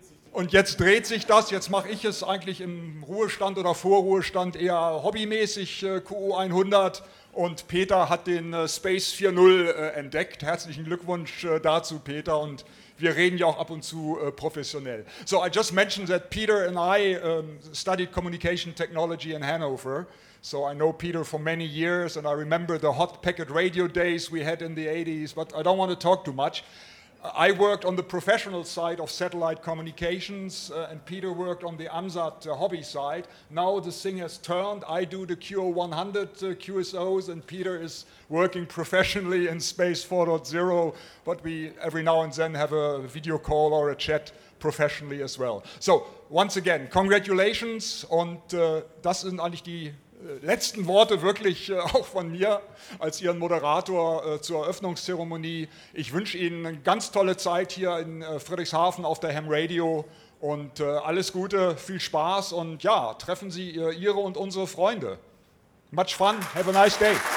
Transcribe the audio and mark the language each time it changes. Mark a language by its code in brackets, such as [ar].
[de] Und jetzt dreht sich das. Jetzt mache ich es eigentlich im Ruhestand oder Vorruhestand eher hobbymäßig, QU100. Und Peter hat den Space 4.0 entdeckt. Herzlichen Glückwunsch dazu, Peter. Und wir reden ja auch ab und zu professionell. [en] So I just mentioned that Peter and I studied communication technology in Hanover. So I know Peter for many years and I remember the hot packet radio days we had in the 80s. But I don't want to talk too much. I worked on the professional side of satellite communications and Peter worked on the AMSAT hobby side. Now the thing has turned. I do the QO100 QSOs and Peter is working professionally in Space 4.0, but we every now and then have a video call or a chat professionally as well. So once again, congratulations [de] und das sind eigentlich die letzten Worte wirklich auch von mir als Ihren Moderator zur Eröffnungszeremonie. Ich wünsche Ihnen eine ganz tolle Zeit hier in Friedrichshafen auf der Ham Radio und alles Gute, viel Spaß und ja, treffen Sie Ihre und unsere Freunde. [en] Much fun, have a nice day.